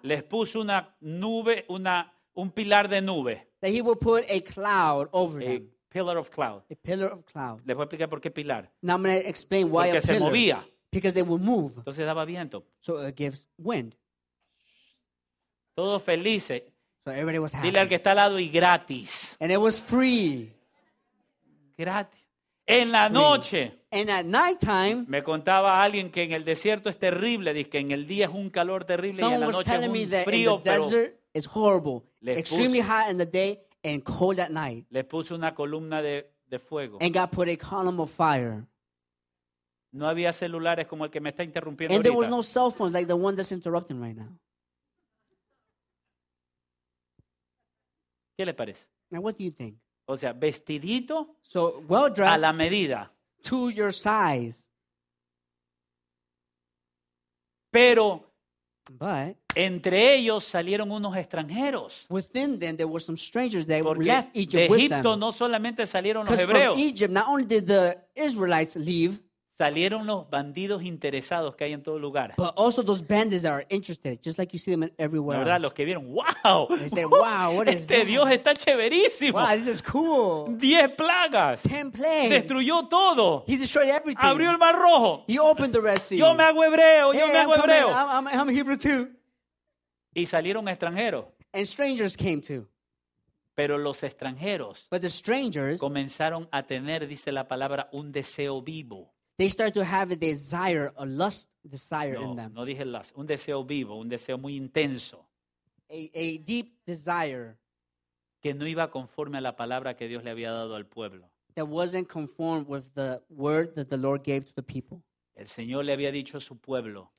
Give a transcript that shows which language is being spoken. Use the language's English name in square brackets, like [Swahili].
[Spanish] Les puso una nube, un pilar de nube. [English] That he would put a cloud over them. Pillar of cloud. A pillar of cloud. [Spanish] Les voy a explicar por qué pilar. [English] Now I'm going to explain why [Spanish] porque [English] a pillar. [Spanish] Porque se movía. [English] Because they would move. [Spanish] Entonces daba viento. [English] So it gives wind. [Spanish] Todos felices. [English] So everybody was happy. [Spanish] Dile al que está al lado y gratis. [English] And it was free. [Spanish] Gratis. En la noche. [English] And at night time. [Spanish] Me contaba alguien que en el desierto es terrible. Dice que en el día es un calor terrible y en la noche es un frío. [English] Someone was telling me that in the desert it's horrible. Extremely hot in the day. And cold at night. [Spanish] Le puso una columna de fuego. [English] And God put a column of fire. [Spanish] No había celulares como el que me está interrumpiendo ahorita. [English] And there was no cell phones like the one that's interrupting right now. [Spanish] ¿Qué le parece? [English] Now what do you think? [Spanish] O sea, vestidito. [English] So well dressed. [Spanish] A la medida. [English] To your size. [Spanish] Pero. [English] But. [Spanish] Entre ellos salieron unos extranjeros. [English] Within them there were some strangers that [Spanish] porque [English] left Egypt [Spanish] de Egipto [English] with them. [Spanish] No solamente salieron los hebreos. [English] From Egypt, not only did the Israelites leave, [Spanish] salieron los bandidos interesados que hay en todo lugar. [English] But also those bandits that are interested, just like you see them everywhere. [Spanish] La verdad, [English] else. [Spanish] Los que vieron, wow. [English] They said, wow, what is [Spanish] este [English] that? [Spanish] Dios está chéverísimo. [English] Wow, this is cool. [Spanish] 10 plagas. [English] 10 plagues. [Spanish] Destruyó todo. [English] He destroyed everything. [Spanish] Abrió el Mar Rojo. [English] He opened the Red Sea. [Spanish] Yo me hago hebreo. Yo [English] hey, [Spanish] me hago [English] I'm [Spanish] hebreo. [English] Coming, I'm a Hebrew too. [Spanish] Y salieron extranjeros. [English] And strangers came too. [Spanish] Pero los extranjeros. [English] But the strangers. [Spanish] Comenzaron a tener, dice la palabra, un deseo vivo. [English] They start to have a desire, a lust desire [Spanish] no, [English] in them. [Spanish] No dije lust. Un deseo vivo, un deseo muy intenso. [English] A deep desire. [Spanish] Que no iba conforme a la palabra que Dios le había dado al pueblo. [English] That wasn't conformed with the word that the Lord gave to the people. [Spanish] El Señor le había dicho a su pueblo.